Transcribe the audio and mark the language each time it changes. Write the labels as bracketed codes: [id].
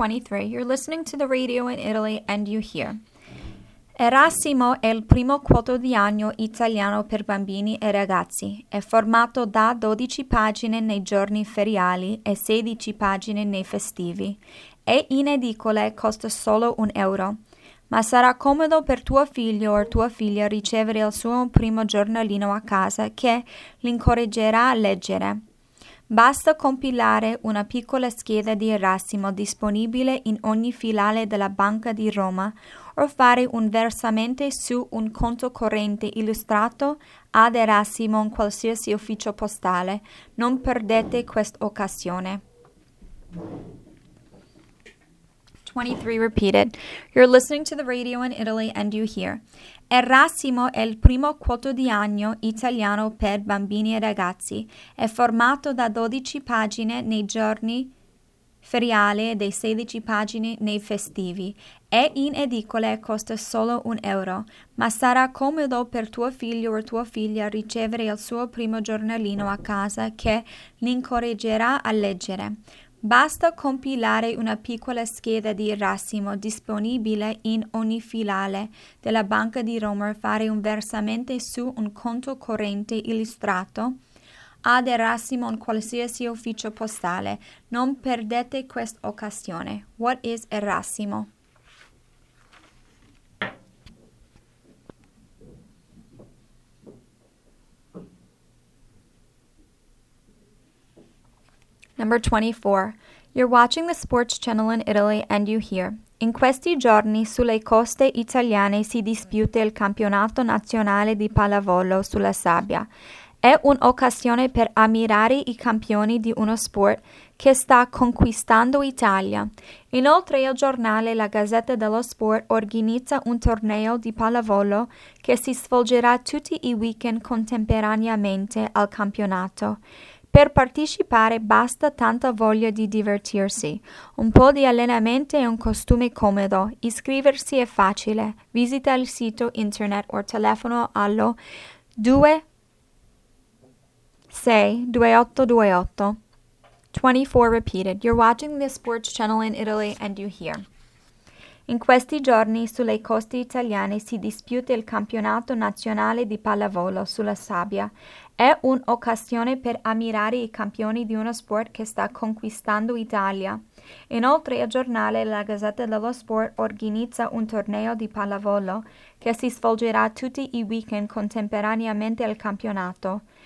[en] You're listening to the radio in Italy and you hear. [it] Erasimo è il primo quotidiano italiano per bambini e ragazzi. È formato da 12 pagine nei giorni feriali e 16 pagine nei festivi. È in edicole, costa solo un euro. Ma sarà comodo per tuo figlio o tua figlia ricevere il suo primo giornalino a casa che l'incoraggerà a leggere. Basta compilare una piccola scheda di Erasimo disponibile in ogni filiale della Banca di Roma o fare un versamento su un conto corrente illustrato ad Erasimo in qualsiasi ufficio postale. Non perdete questa occasione. [en] 23 repeated. You're listening to the radio in Italy and you hear. [it] Erasimo è il primo quotidiano italiano per bambini e ragazzi. È formato da 12 pagine nei giorni feriali e 16 pagine nei festivi. È in edicole e costa solo un euro. Ma sarà comodo per tuo figlio o tua figlia ricevere il suo primo giornalino a casa che l'incoraggerà a leggere. Basta compilare una piccola scheda di Erasimo disponibile in ogni filiale della Banca di Roma e fare un versamento su un conto corrente illustrato ad Erasimo in qualsiasi ufficio postale. Non perdete questa occasione. [en] What is Erasimo? Number 24. You're watching the sports channel in Italy and you hear. [it] In questi giorni sulle coste italiane si disputa il campionato nazionale di pallavolo sulla sabbia. È un'occasione per ammirare i campioni di uno sport che sta conquistando Italia. Inoltre il giornale La Gazzetta dello Sport organizza un torneo di pallavolo che si svolgerà tutti i weekend contemporaneamente al campionato. Per partecipare basta tanta voglia di divertirsi, un po' di allenamento e un costume comodo. Iscriversi è facile. Visita il sito internet o telefono allo 262828. [en] 24 repeated. You're watching the sports channel in Italy and you hear. [it] In questi giorni sulle coste italiane si disputa il campionato nazionale di pallavolo sulla sabbia. È un'occasione per ammirare i campioni di uno sport che sta conquistando Italia. Inoltre il giornale La Gazzetta dello Sport organizza un torneo di pallavolo che si svolgerà tutti i weekend contemporaneamente al campionato.